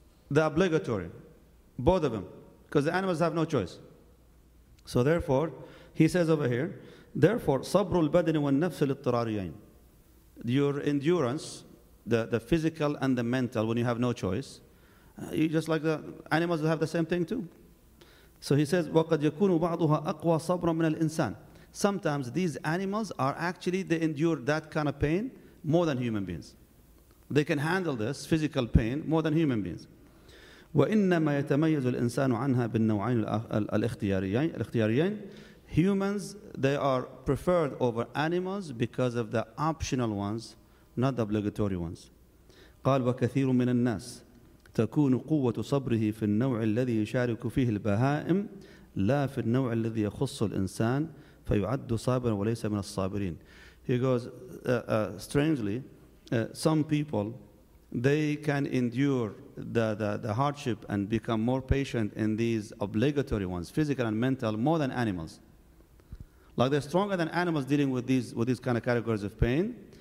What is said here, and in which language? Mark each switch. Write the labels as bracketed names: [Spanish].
[English] The obligatory, both of them, because the animals have no choice. So therefore, he says over here, therefore, [Arabic] صبر البدن والنفس الاضطراريين. [English] Your endurance, the physical and the mental, when you have no choice, you just like the animals have the same thing too. So he says, [Arabic] وقد يكون بعضها أقوى صبرا من الإنسان. [English] Sometimes these animals are actually, they endure that kind of pain more than human beings. They can handle this physical pain more than human beings. [Arabic] وإنما يتميز الإنسان عنها بالنوعين الاختياريين. [English] Humans, they are preferred over animals because of the optional ones, not the obligatory ones. [Arabic] قال وكثير من الناس تكون قوة صبره في النوع الذي يشارك فيه البهائم لا في النوع الذي يخص الإنسان فيعد صابرا وليس من الصابرين. [English] He goes, strangely, some people, they can endure the hardship and become more patient in these obligatory ones, physical and mental, more than animals. Like they're stronger than animals dealing with these kind of categories of pain.